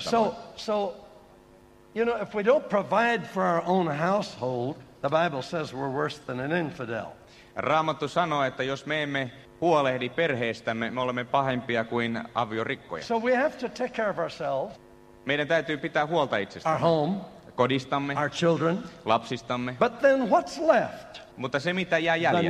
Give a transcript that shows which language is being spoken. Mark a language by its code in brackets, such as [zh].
[fi] tavalla? [en] So you know, if we don't provide for our own household, the Bible says we're worse than an infidel. [fi] Raamattu sanoo, että jos me emme huolehdi perheestämme, me olemme pahempia kuin aviorikkoja. [en] So we have to take care of ourselves. [fi] Meidän täytyy pitää huolta itsestämme. [en] Our home, [fi] kodistamme. [en] Our children, [fi] lapsistamme. [en] But then what's left? [fi] Mutta se mitä jää jäljelle.